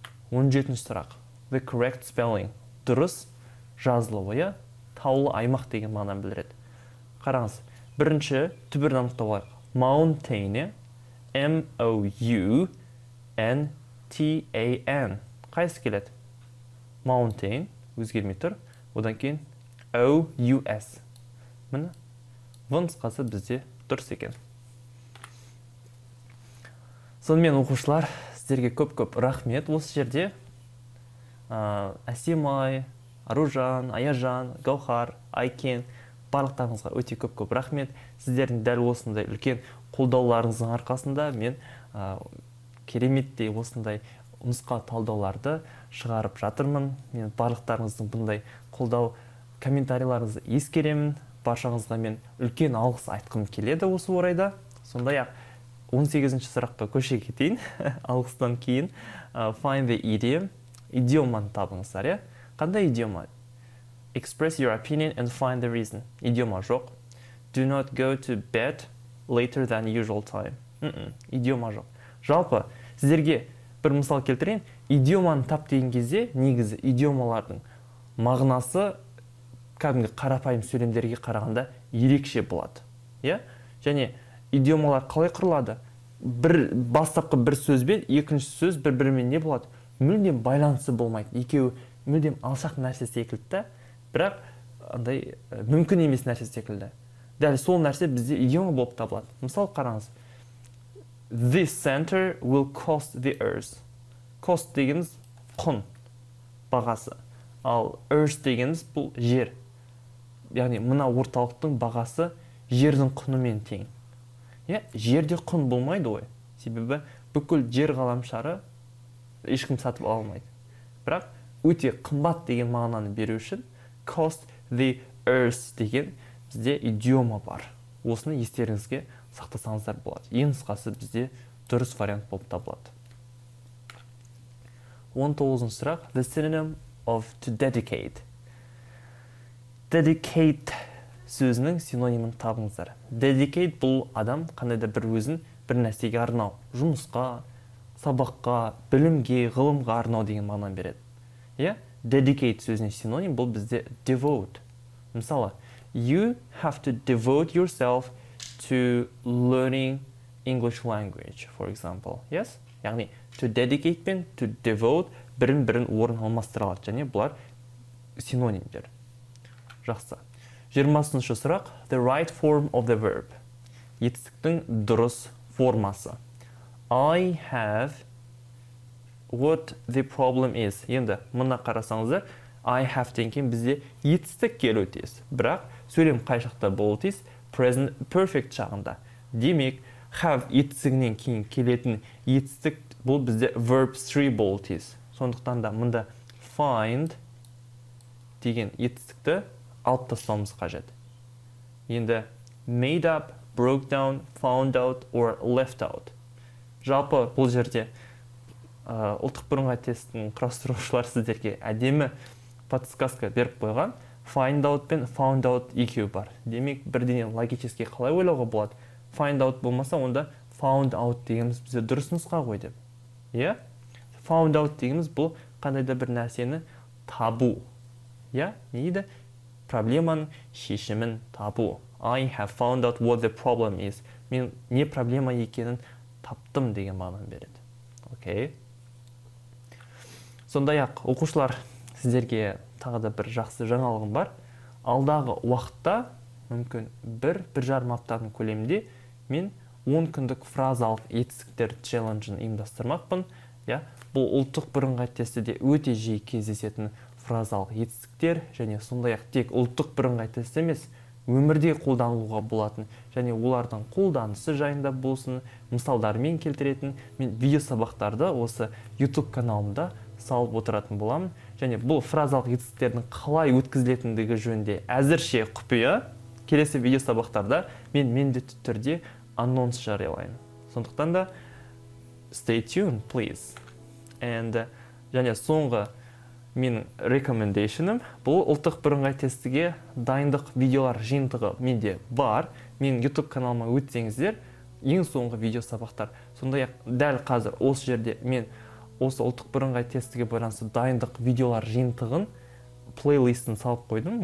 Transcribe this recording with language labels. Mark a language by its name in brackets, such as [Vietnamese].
[Kazakh] 17-ші сұрақ. [English] The correct spelling. [Kazakh] Дұрыс жазылуы таулы аймақ деген мағынаны білдіреді. Қараңыз. Бірінші түбірін анықтап алайық. Mountain. MOUNTAN. Қайсы келеді? Mountain. Өзгермей тұр. Одан кейін OUS. Міне. Бұның қасы бізде дұрыс екен. Сонымен оқушылар, сіздерге көп-көп рахмет. Осы жерде Асимай, Аружан, Аяжан, Гаухар, Айкен, барлықтарыңызға өте көп-көп рахмет. Сіздердің дәл осындай үлкен қолдауларыңыздың арқасында мен кереметтей осындай нұсқа талдауларды шығарып жатырмын. Мен барлықтарыңыздың бұндай қолдау комментарийларыңызды ескеремін. Баршаңызға мен үлкен алғыс айтқым келеді осы орайда. Сондай-ақ 18-ші сұраққа көше кетейін. Алғыстан кейін [English] find the idiom. [Kazakh] Идиоманы табыңыздар, иә? Қандай идиома? [English] Express your opinion and find the reason. [Kazakh] Идиома жоқ. [English] Do not go to bed later than usual time. [Kazakh] Идиома жоқ. Жалпы, сіздерге бір мысал келтірейін. Идиоманы тап деген кезде, негізі идиомалардың мағынасы кәдімгі қарапайым сөйлемдерге қарағанда ерекше болады. Иә? Және идиомалар қалай құрылады? Бір бастапқы бір сөзбен екінші сөз бір-бірімен не болады? Мүлдем байланысы болмайды. Екеуі мүлдем алшақ нәрсе секілді, бірақ андай мүмкін емес нәрсе секілді. Дәл сол нәрсе бізде идиома болып табылады. Мысалы қараңыз. [English] This center will cost the earth. [Kazakh] Cost дегеніміз құн, бағасы. Ал earth дегеніміз бұл жер. Яғни мына орталықтың бағасы жердің құнымен тең. Иә, жерде құн болмайды ғой. Себебі бүкіл жер ғаламшары ешкім сатып алмайды. Бірақ өте қымбат деген мағынаны беру үшін [English] cost the earth [Kazakh] деген бізде идиома бар. Осыны естеріңізге сақтасаңыздар болады. Ең қысқасы бізде дұрыс вариант болып табылады. 19-ші сұрақ. The synonym of to dedicate. Dedicate сөзінің синонимін табыңыздар. Dedicate бұл адам қандай да бір өзін бір нәрсеге арнау. Жұмысқа, сабаққа, білімге, ғылымға арнау деген мағынаны береді. Иә? Dedicate сөзінің синоним бұл бізде devote. [English] Мысалы, you have to devote yourself to learning English language, for example. Yes? [Kazakh] Яғни, to dedicate пен to devote бірін-бірін орын алмастыралады. Және бұлар синонимдер. Жақсы. 20-ші сұрақ. [English] The right form of the verb. [Kazakh] Етістіктің дұрыс формасы. [English] I have what the problem is. [Kazakh] Енді мұна қарасаңыздар, [English] I have [Kazakh] деген бізде етістік келу тез. Бірақ сөйлем қайшықта болу тез. Present perfect шағында. Демек, have етістігінен кейін келетін етістік бұл бізде verb 3 болу тез. Сондықтан да мұнда find деген етістікті алып тастауымыз қажет. [English] Енді made up, broke down, found out or left out. [Kazakh] Жалпы бұл жерде ұлттық бірыңғай тестінің құрастырушылар сіздерге әдемі подсказка беріп қойған. [English] Find out пен found out [Kazakh] екеуі бар. Демек, бірдене логически қалай ойлауға болады. Find out болмаса, онда found out дегеніміз бізде дұрыс нұсқа ғой деп. Иә? [English] Yeah? [Kazakh] Found out дегеніміз бұл қандай да бір нәрсені табу. Иә? [English] Yeah? [Kazakh] Не дейді? Проблеманың шешімін табу. [English] I have found out what the problem is. [Kazakh] Мен не проблема екенін таптым деген мағынаны береді. Окей. Сондай-ақ, оқушылар, сіздерге тағы да бір жақсы жаңалығым бар. Алдағы уақытта, мүмкін бір жарым аптаның көлемінде, мен 10 күндік фразалық етістіктер челленджін ұйымдастырмақпын. [English] Yeah? [Kazakh] Бұл ұлттық бірыңғай тестіде өте жиі кездесетін фразалық етістіктер, және сондай-ақ тек ұлттық бірыңғай тест емес, өмірде қолданылуға болатын және олардың қолданысы жайында болсын мысалдармен келтіретін мен видео сабақтарды осы YouTube каналымда салып отыратын боламын және бұл фразалық етістіктердің қалай өткізілетіндігі жөнінде әзірше құпия. Келесі видео сабақтарда мен міндетті түрде анонс жариялаймын. Сондықтан да [English] stay tuned please. [Kazakh] And және соңғы менің рекомендейшенім, бұл ұлттық бірыңғай тестіге дайындық видеолар жиынтығы менде бар. мен YouTube каналыма өтсеңіздер, ең соңғы видео сабақтар. Сонда я дәл қазір осы жерде мен осы ұлттық бірыңғай тестіге байланысты дайындық видеолар жиынтығын плейлистін салып қойдым.